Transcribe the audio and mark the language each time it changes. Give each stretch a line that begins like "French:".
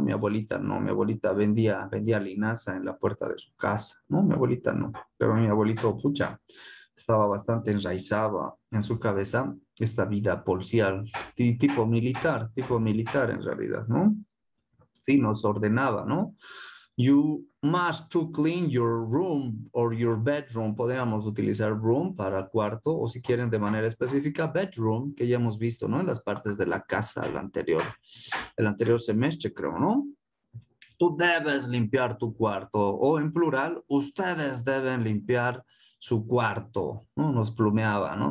Spanish: Mi abuelita no, mi abuelita vendía linaza en la puerta de su casa, ¿no? Mi abuelita no, pero mi abuelito, pucha, estaba bastante enraizado en su cabeza esta vida policial, tipo militar en realidad, ¿no? Sí, nos ordenaba, ¿no?
English: You must to clean your room or your bedroom.
Spanish: Podríamos utilizar room para cuarto o si quieren de manera específica bedroom, que ya hemos visto, ¿no? En las partes de la casa, el anterior semestre, creo, ¿no? Tú debes limpiar tu cuarto o en plural, ustedes deben limpiar su cuarto, ¿no? Nos plumeaba, ¿no?